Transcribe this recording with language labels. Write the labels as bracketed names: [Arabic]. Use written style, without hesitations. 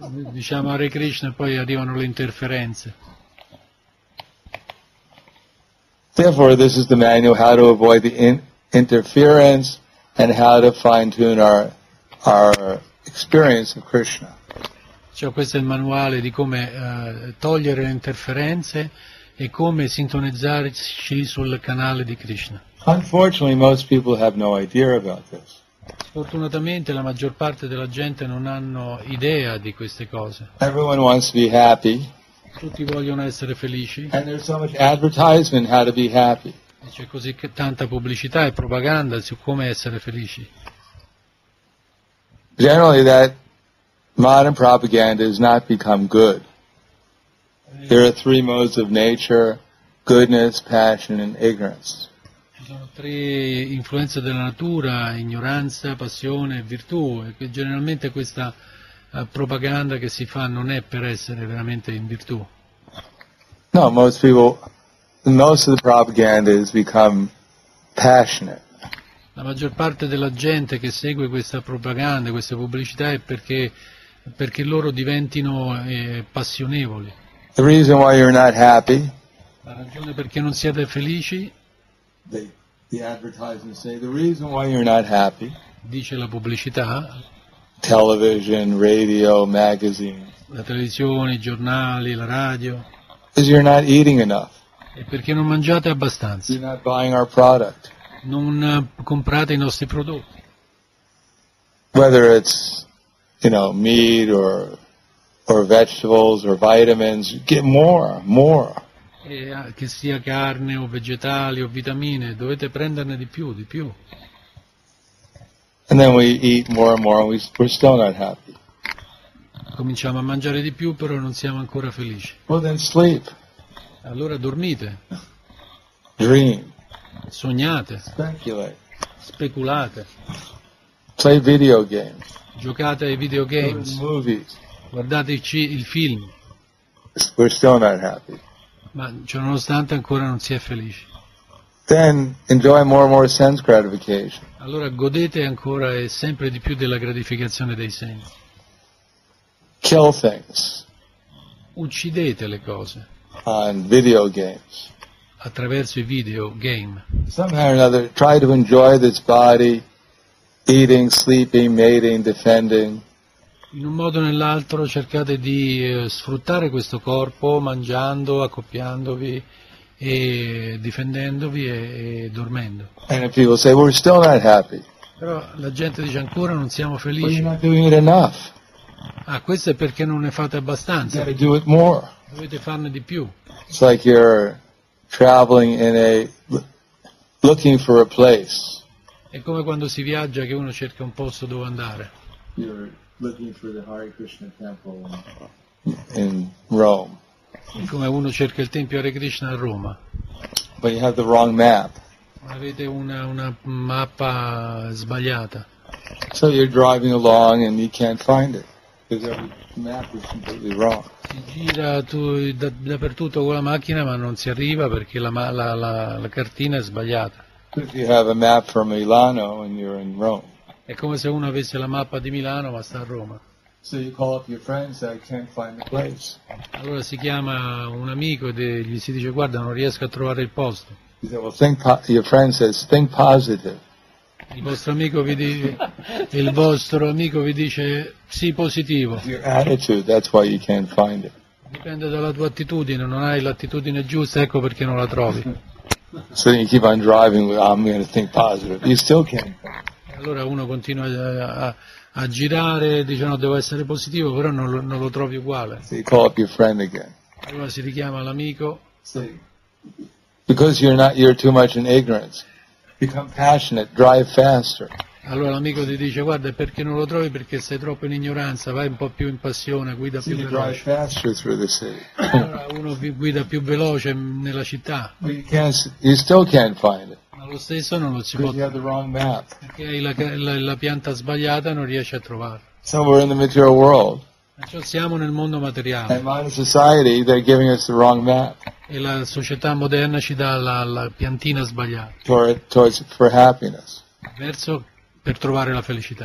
[Italian] diciamo Hare Krishna e poi arrivano le interferenze. [English] Therefore, this is the manual how to avoid the interference and how to fine-tune our experience of Krishna. [Italian] Cioè, questo è il manuale di come togliere le interferenze e come sintonizzarci sul canale di Krishna. [English] Unfortunately, most people have no idea about this. [Italian] Fortunatamente la maggior parte della gente non hanno idea di queste cose. [English] Everyone wants to be happy. [Italian] Tutti vogliono essere felici. [English] And there's so much advertisement how to be happy. [Italian] E c'è così tanta pubblicità e propaganda su come essere felici. [English] Generally that modern propaganda has not become good. There are three modes of nature: goodness, passion and ignorance. [Italian] Sono tre influenze della natura: ignoranza, passione e virtù. E generalmente questa propaganda che si fa non è per essere veramente in virtù. [English] No, most of the propaganda has become passionate. [Italian] La maggior parte della gente che segue questa propaganda, questa pubblicità, è perché loro diventino passionevoli. [English] The reason why you're not happy. [Italian] La ragione perché non siete felici. [English] The advertisements say the reason why you're not happy. [Italian] Dice la pubblicità. [English] Television, radio, magazine. [Italian] La televisione, i giornali, la radio. [English] Is you're not eating enough. [Italian] E perché non mangiate abbastanza. [English] You're not buying our product. [Italian] Non comprate i nostri prodotti. [English] Whether it's, you know, meat or vegetables or vitamins, get more. [Italian] Che sia carne o vegetali o vitamine, dovete prenderne di più. [English] And then we eat more and more and we're still not happy. [Italian] Cominciamo a mangiare di più, però non siamo ancora felici. [English] Well, then sleep. [Italian] Allora dormite. [English] Dream. [Italian] Sognate. [English] Speculate. [Italian] Speculate. [English] Play video games. [Italian] Giocate ai videogames. Guardate il film. [English] We're still not happy. [Italian] Ma ciononostante ancora non si è felici. [English] Then enjoy more and more sense gratification. [Italian] Allora godete ancora e sempre di più della gratificazione dei sensi. [English] Kill things. [Italian] Uccidete le cose. [English] On video games. [Italian] Attraverso i video game. [English] Somehow or another, try to enjoy this body, eating, sleeping, mating, defending. [Italian] In un modo o nell'altro cercate di sfruttare questo corpo mangiando, accoppiandovi e difendendovi e dormendo. [English] And people say, we're still not happy. [Italian] Però la gente dice ancora non siamo felici. [English] But you're not doing it enough. [Italian] Ah, questo è perché non ne fate abbastanza. [English] You gotta do it more. [Italian] Dovete farne di più. [English] It's like you're traveling in a looking for a place. [Italian] È come quando si viaggia che uno cerca un posto dove andare. [English] Looking for the Hare Krishna temple in Rome. [Italian] Come uno cerca il tempio Hare Krishna a Roma. [English] But you have the wrong map. [Italian] Avete una mappa sbagliata. [English] So you're driving along and you can't find it because the map is completely wrong. [Italian] Si gira dappertutto con la macchina ma non si arriva perché la cartina è sbagliata. [English] If you have a map for Milano and you're in Rome. [Italian] È come se uno avesse la mappa di Milano ma sta a Roma. [English] So you call up your friend and say, I can't find the place. [Italian] Allora si chiama un amico e gli si dice, guarda, non riesco a trovare il posto. [English] He said, well, think your friend says, think positive. [Italian] Il vostro amico vi dice, il vostro amico vi dice, sii positivo. [English] Your attitude, that's why you can't find it. [Italian] Dipende dalla tua attitudine, non hai l'attitudine giusta, ecco perché non la trovi. [English] So you keep on driving, I'm going to think positive. You still can't. [Italian] Allora uno continua a girare, dice no, devo essere positivo, però non lo trovi uguale. [English] So you call up your friend again. [Italian] Allora si richiama l'amico. [English] See. Because you're too much in ignorance. Become passionate, drive faster. [Italian] Allora l'amico ti dice, guarda, perché non lo trovi? Perché sei troppo in ignoranza, vai un po' più in passione, guida più veloce. Allora uno guida più veloce nella città. [English] You still can't find it. [Italian] Ma lo stesso non lo si può trovare. Perché hai la pianta sbagliata, non riesci a trovarla. [English] So we're in the material world. [Italian] Siamo nel mondo materiale. [English] And modern society, they're giving us the wrong map. [Italian] E la società moderna ci dà la piantina sbagliata. [English] Towards for happiness. [Italian] Verso per trovare la felicità.